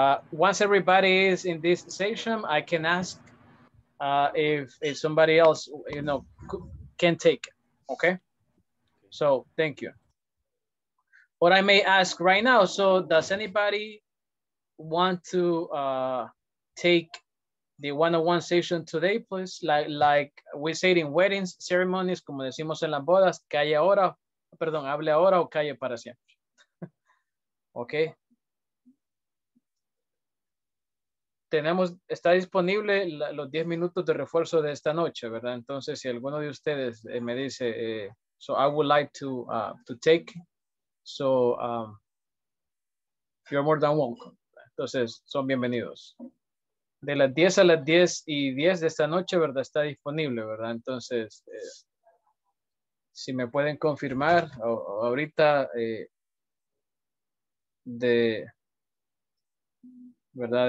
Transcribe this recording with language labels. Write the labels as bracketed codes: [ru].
[en] Once everybody is in this session, I can ask if somebody else, you know, can take, okay? So thank you. What I may ask right now, so does anybody want to take the one-on-one session today, please? Like we say in weddings, ceremonies, [es] como decimos en las bodas, calle ahora, perdón, hable ahora o calle para siempre. Okay. Tenemos, está disponible los 10 minutos de refuerzo de esta noche, ¿verdad? Entonces, si alguno de ustedes me dice, [en] so I would like to take, so you're more than welcome. [es] Entonces, son bienvenidos. De las 10 a las 10 y 10 de esta noche, ¿verdad? Está disponible, ¿verdad? Entonces, si me pueden confirmar ahorita de... ¿verdad?